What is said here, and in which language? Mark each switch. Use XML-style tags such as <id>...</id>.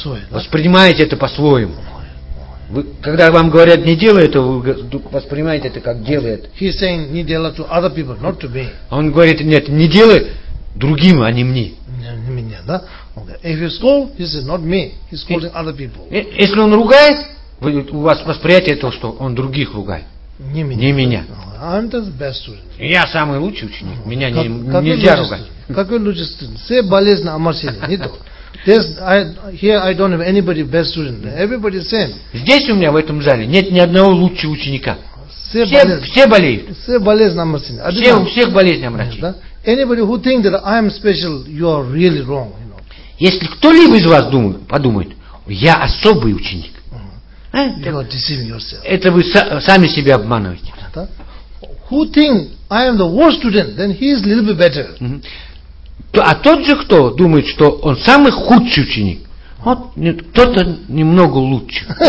<ru>Воспринимаете это по-своему. Вы, когда вам говорят, не делай это, вы воспринимаете это как делает.</ru> <en>He's saying,</en> <ru>не делай</ru> <en>to other people, not to me.</en> <ru>Он говорит, нет, не делай другим, а не мне. Не меня, да?</ru> <en>Okay. If you scold, he says, not me. He's scolding other people.</en> <ru>Если он ругает, вы, у вас восприятие того, что он других ругает. Не меня. Не меня.</ru> <en>I'm the best student.</en> <ru>Я самый лучший ученик. Mm-hmm. Меня как нельзя ругать. Как он лучший студент? Все болезни омрачения, не то.</ru> <en>Here I don't have anybody best student. Everybody same.</en> <ru>Здесь у меня в этом зале нет ни одного лучшего ученика. Все болеют. Все болезни омрачения. Все у всех болезни омрачения.</ru> <en>Anybody who think that I am special, you are really wrong. You know.</en> <ru>Если кто-либо из вас подумает, я особый ученик.</ru> <en>You are deceiving yourself.</en> <ru>Это вы сами себя обманываете.</ru> <en>Who think I am the worst student, then he is a little bit better.</en> <ru>А тот же, кто думает, что он самый худший ученик, вот кто-то немного лучше.</ru>